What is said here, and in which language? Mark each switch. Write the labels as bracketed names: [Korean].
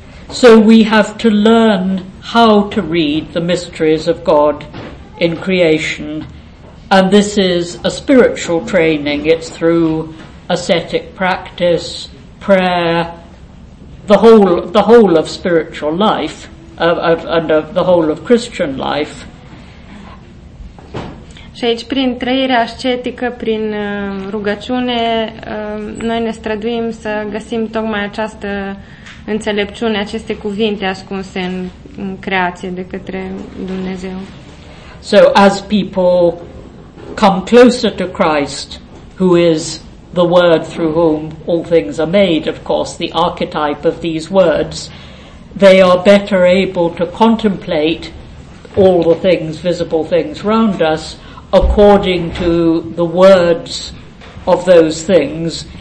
[English] So we have to learn how to read the mysteries of God in creation, and this is a spiritual training. It's through ascetic practice, prayer, the whole of spiritual life, and the whole of Christian life. [Romanian] Și aici, prin trăirea ascetică, prin rugăciune, noi ne străduim să găsim tocmai această înțelepciune, aceste cuvinte ascunse în creație de către Dumnezeu. [English] So as people come closer to Christ, who is the word through whom all things are made, of course, the archetype of these words, they are better able to contemplate all the things, visible things round us, according to the words of those things.